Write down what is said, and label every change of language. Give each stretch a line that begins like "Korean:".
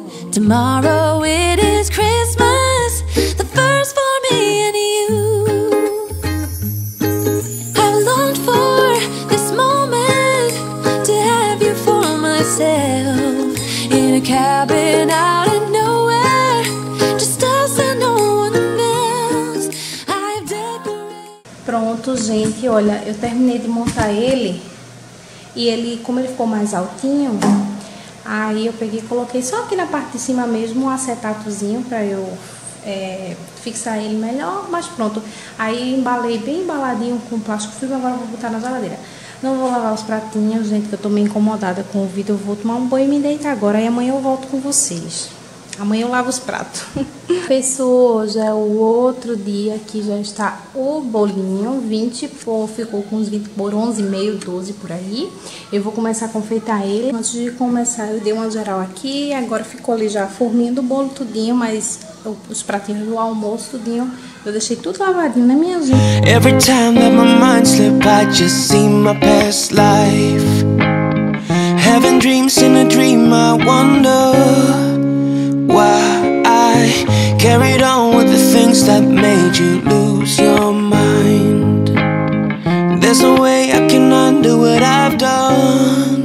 English: Tomorrow it is Christmas, the first for me and you. I've longed for this moment to have you for myself. In a cabin out in nowhere, just us and no one else. I've
Portuguese: Pronto, gente, olha, eu terminei de montar ele. E ele, como ele ficou mais altinho, aí eu peguei e coloquei só aqui na parte de cima mesmo um acetatozinho pra eu fixar ele melhor, mas pronto. Aí embalei bem embaladinho com plástico filme, agora vou botar na geladeira. Não vou lavar os pratinhos, gente, que eu tô meio incomodada com o vídeo. Eu vou tomar um banho e me deitar agora, e amanhã eu volto com vocês. Amanhã eu lavo os pratos. Pessoal, já é o outro dia que já está o bolinho. 20, ficou com uns 20 por 11, meio, 12 por aí. Eu vou começar a confeitar ele. Antes de começar, eu dei uma geral aqui. Agora ficou ali já formindo o bolo tudinho, mas os pratinhos do almoço tudinho, eu deixei tudo lavadinho, né, minha gente?
English: Every time that my mind slip, I just see my past life. Having dreams in a dream, I wonder why I carried on with the things that made you lose your mind. There's no way I can undo what I've done.